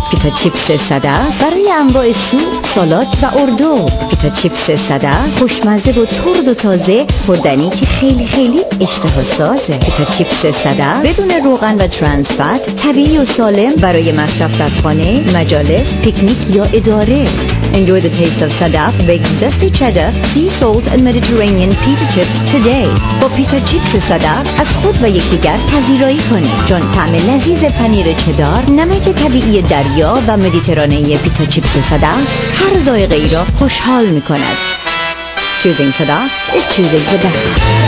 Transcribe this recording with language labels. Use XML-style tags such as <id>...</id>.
<fa>پیتا چیپس صدف برای انواع سوپ، سالاد و اردو. پیتا چیپس صدف خوشمزه و ترد و تازه، خوردنی که خیلی خیلی اشتها سازه. پیتا چیپس صدف بدون روغن و ترانس فت، طبیعی و سالم برای مصرف در خانه، مجالس، پیکنیک یا اداره.</fa> <en>Enjoy the taste of Sadaf baked zesty cheddar, sea salt and Mediterranean pita chips today.</en> <fa>با پیتا چیپس صدف از خود و یکدیگر پذیرایی کنید. چون طعم لذیذ پنیر چدار، نمک طبیعی دریا و مدیترانه پیتا چیپس صدف هر ذائقه‌ای را خوشحال می‌کند.</fa> <en>Choosing Sadaf is choosing the best.</en>